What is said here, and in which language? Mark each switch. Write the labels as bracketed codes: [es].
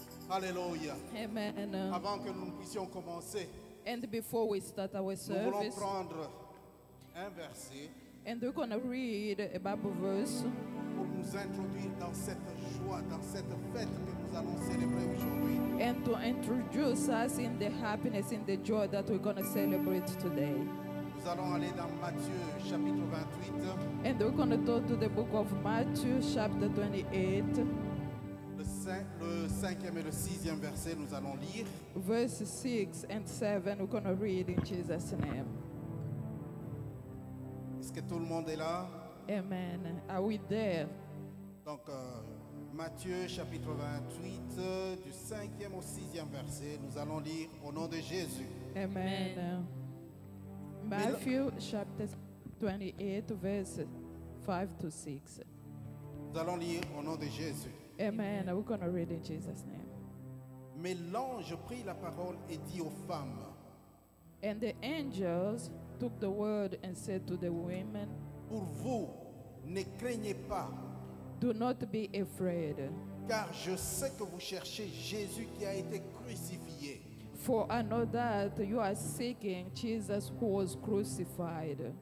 [fr] Alléluia. Amen. Avant que nous puissions commencer, [en] and before we start our service, [fr] nous voulons prendre un verset. [en] And we're gonna read a Bible verse [fr] pour nous introduire dans cette joie, dans cette fête que nous allons célébrer aujourd'hui. [en] And to introduce us in the happiness, in the joy that we're gonna celebrate today. [fr] Nous allons aller dans Matthieu chapitre 28. [en] And we're going to go to the book of Matthew chapter 28. [fr] Le cinquième et le sixième verset, nous allons lire. [en] Verse 6 and 7, we're going to read in Jesus' name. [fr] Est-ce que tout le monde est là? [en] Amen. Are we there? [fr] Donc, Matthieu chapitre 28, du cinquième au sixième verset, nous allons lire au nom de Jésus. [en] Amen. Amen. Matthew chapter 28, verse 5 to 6. [fr] Nous allons lire au nom de Jésus. [en] Amen. We're going to read in Jesus' name. [fr] Mais l'ange prit la parole et dit aux femmes. [en] And the angels took the word and said to the women. [fr] Pour vous, ne craignez pas. [en] Do not be afraid. [fr] Car je sais que vous cherchez Jésus qui a été crucifié. [en] For I know that you are seeking Jesus who was crucified.